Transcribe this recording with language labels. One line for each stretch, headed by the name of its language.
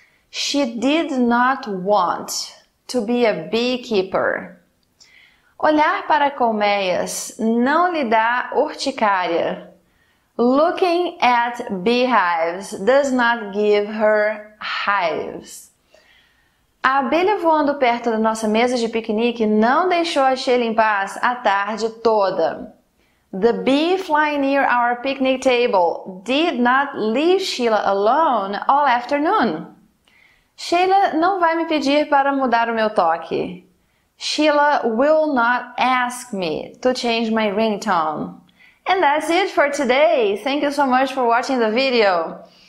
English: She did not want to be a beekeeper.
Portuguese: Olhar para colmeias não lhe dá urticária.
English: Looking at beehives does not give her hives.
Portuguese: A abelha voando perto da nossa mesa de piquenique não deixou a Sheila em paz a tarde toda.
English: The bee flying near our picnic table did not leave Sheila alone all afternoon.
Portuguese: Sheila não vai me pedir para mudar o meu toque.
English: Sheila will not ask me to change my ringtone. And that's it for today. Thank you so much for watching the video.